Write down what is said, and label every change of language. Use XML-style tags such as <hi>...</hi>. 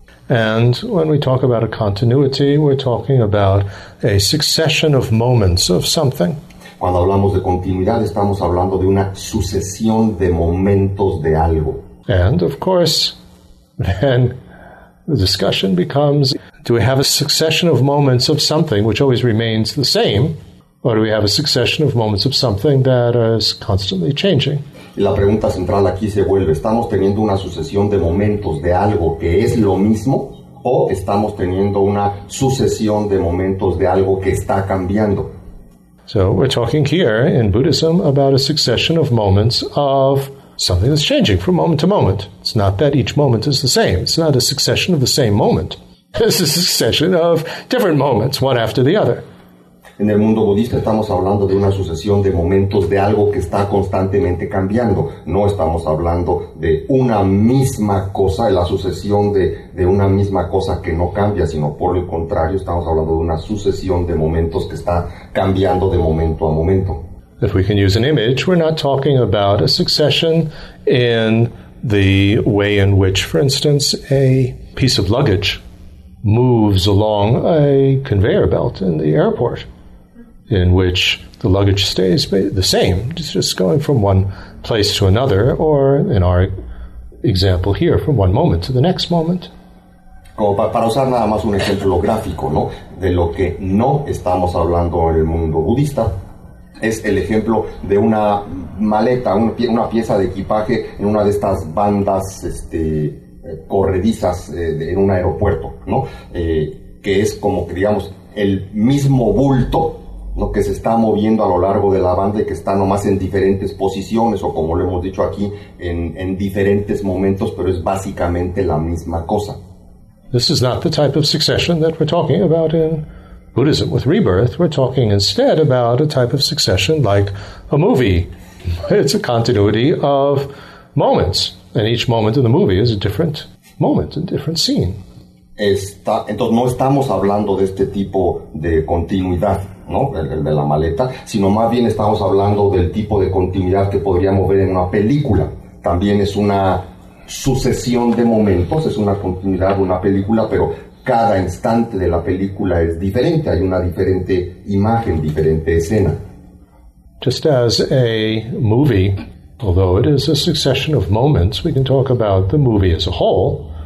<en>And when we talk about a continuity, we're talking about a succession of moments of something.</en> <es>Cuando hablamos de continuidad, estamos hablando de una sucesión de momentos de algo.</es> <en>And, of course, then the discussion becomes, do we have a succession of moments of something which always remains the same, or do we have a succession of moments of something that is constantly changing?</en> <es>La pregunta central aquí se vuelve, ¿estamos teniendo una sucesión de momentos de algo que es lo mismo o estamos teniendo una sucesión de momentos de algo que está cambiando?</es> <en>So we're talking here in Buddhism about a succession of moments of something that's changing from moment to moment. It's not that each moment is the same. It's not a succession of the same moment. It's a succession of different moments, one after the other.</en> <es>En el mundo budista estamos hablando de una sucesión de momentos de algo que está constantemente cambiando. No estamos hablando de una misma cosa, la sucesión de una misma cosa que no cambia, sino por el contrario, estamos hablando de una sucesión de momentos que está cambiando de momento a momento.</es> <en>If we can use an image, we're not talking about a succession in the way in which, for instance, a piece of luggage moves along a conveyor belt in the airport, in which the luggage stays the same. It's just going from one place to another, or in our example here, from one moment to the next moment.</en> <es>Como para usar nada más un ejemplo gráfico, ¿no? De lo que no estamos hablando en el mundo budista, es el ejemplo de una maleta, una pieza de equipaje en una de estas bandas corredizas en un aeropuerto, ¿no? Que es como que, digamos, el mismo bulto, ¿no?, que se está moviendo a lo largo de la banda y que está nomás en diferentes posiciones, o como lo hemos dicho aquí, en diferentes momentos, pero es básicamente la misma cosa.</es> <en>This is not the type of succession that we're talking about in Buddhism with rebirth. We're talking instead about a type of succession like a movie. It's a continuity of moments, and each moment in the movie is a different moment, a different scene.</en> <es>Entonces no estamos hablando de este tipo de continuidad, ¿no? El de la maleta, sino más bien estamos hablando del tipo de continuidad que podríamos ver en una película. También es una sucesión de momentos, es una continuidad de una película, pero cada instante de la película es diferente, hay una diferente imagen, diferente escena.</es> <en>Just as a movie Although it is a succession of moments, we can talk about the movie as a whole.</en>